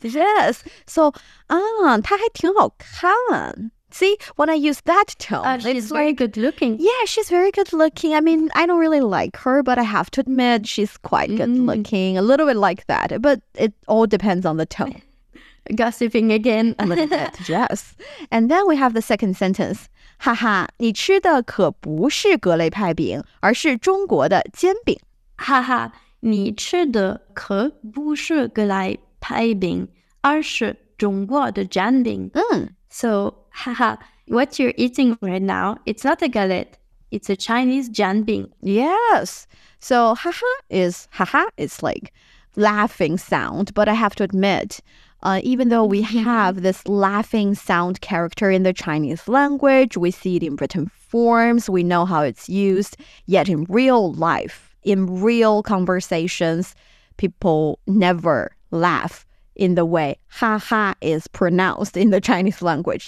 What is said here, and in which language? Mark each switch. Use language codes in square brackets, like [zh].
[en] Yes. So, [zh] 它还挺好看. [en] See, when I use that tone, she's very good looking. Yeah, she's very good looking. I mean, I don't really like her, but I have to admit she's quite good looking. A little bit like that, but it all depends on the tone. Gossiping again. A little bit, yes. And then we have the second sentence. [zh] Haha, 你吃的可不是格雷派饼, 而是中国的煎饼. Haha, 你吃的可不是格雷派饼, 而是中国的煎饼. [en] So, haha, what you're eating right now, it's not a galette. It's a Chinese jiānbing. Yes. So, haha is like laughing sound. But I have to admit, even though we have this laughing sound character in the Chinese language, we see it in written forms, we know how it's used, yet in real life, in real conversations, people never laugh in the way haha is pronounced in the Chinese language.